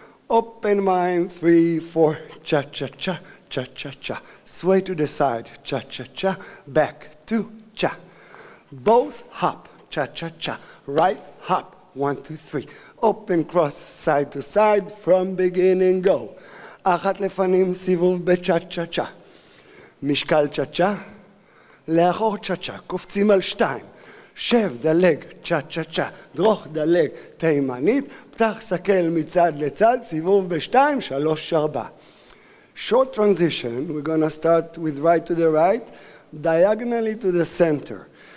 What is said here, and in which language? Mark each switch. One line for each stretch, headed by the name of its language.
English: Open mind, 3, 4, cha-cha-cha, cha-cha-cha. Sway to the side, cha-cha-cha, back to cha. Both hop, cha-cha-cha, right hop, 1, 2, 3. Open cross, side to side, from beginning go.
Hebrew: אחת לפנים, סיבוב בצ'ה-צ'ה-צ'ה. משקל צ'ה-צ'ה, לאחור צ'ה-צ'ה, קופצים על שתיים. שב, דלג, צ'ה-צ'ה-צ'ה, דרוך, דלג, תימנית, פתח, סכל מצד לצד, סיבוב בשתיים, שלוש, ארבע.
English: Short transition, we're gonna start with right to the right, diagonally to the center.